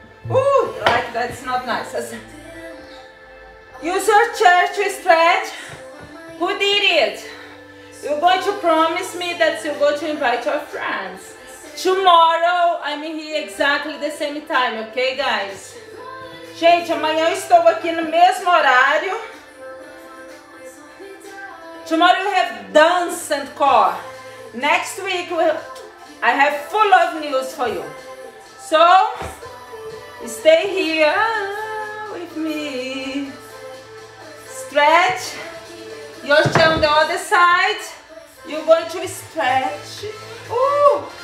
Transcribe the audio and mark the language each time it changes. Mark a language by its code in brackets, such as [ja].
[en] Ooh, like that's not nice. Use your chair to stretch. Who did it? You're going to promise me that you're going to invite your friends. Tomorrow, I'm here exactly the same time, okay, guys? [pt] Gente, amanhã eu estou aqui no mesmo horário. [en] Tomorrow we have dance and core. Next week, I have full of news for you. So, stay here with me. Stretch. Your chair on the other side. You're going to stretch. Ooh!